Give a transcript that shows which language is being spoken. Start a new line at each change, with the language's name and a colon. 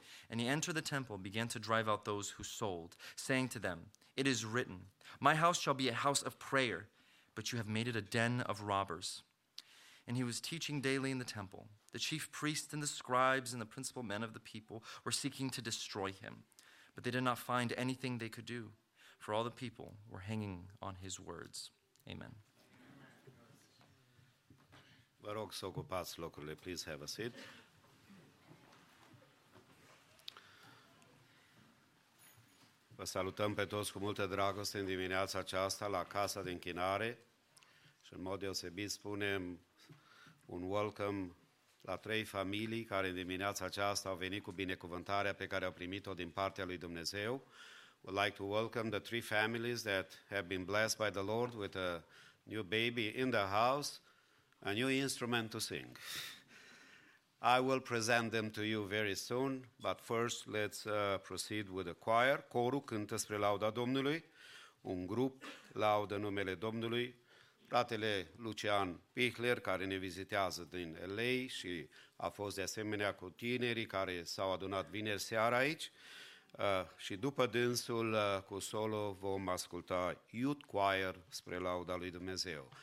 English: And he entered the temple, began to drive out those who sold, saying to them, "It is written, 'My house shall be a house of prayer,' but you have made it a den of robbers." And he was teaching daily in the temple. The chief priests and the scribes and the principal men of the people were seeking to destroy him, but they did not find anything they could do, for all the people were hanging on his words. Amen.
Romanian: Vă rog să ocupați locurile.
English: Please have a seat.
Romanian: Vă salutăm pe toți cu multă dragoste în dimineața aceasta la Casa de Închinare și în mod deosebit spunem un welcome la trei familii care în dimineața aceasta au venit cu binecuvântarea pe care au primit-o din partea lui Dumnezeu.
English: We'd like to welcome the three families that have been blessed by the Lord with a new baby in the house, a new instrument to sing. I will present them to you very soon, but first let's proceed with the choir.
Romanian: Corul cântă spre lauda Domnului, un grup laudă numele Domnului, fratele Lucian Pichler, care ne vizitează din LA și a fost de asemenea cu tinerii care s-au adunat vineri seara aici, și după dânsul cu solo vom asculta Youth Choir spre lauda lui Dumnezeu.